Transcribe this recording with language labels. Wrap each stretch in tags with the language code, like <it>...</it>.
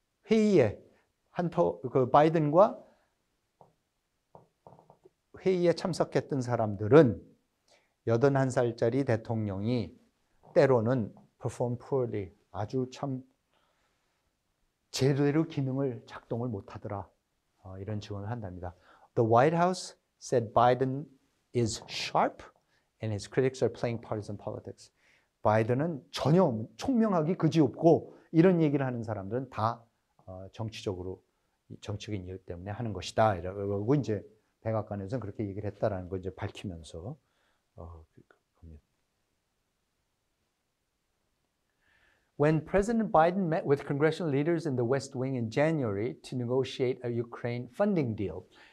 <ko>회의에 바이든과 회의에 참석했던 사람들은 81살짜리 대통령이 때로는</ko> <en>perform poorly,</en> <ko>아주 참 제대로 기능을 작동을 못하더라, 이런 증언을 한답니다.</ko> <en>The White House said Biden is sharp and his critics are playing partisan politics.</en> <ko>바이든은 전혀 총명하기 그지없고 이런 얘기를 하는 사람들은 다 정치적인 이유 때문에 하는 것이다. 이러고 이제 백악관에서는 그렇게 얘기를 했다라는 걸 이제 밝히면서</ko> <en>When President Biden met with congressional leaders in the West Wing in January to negotiate a Ukraine funding deal.</en>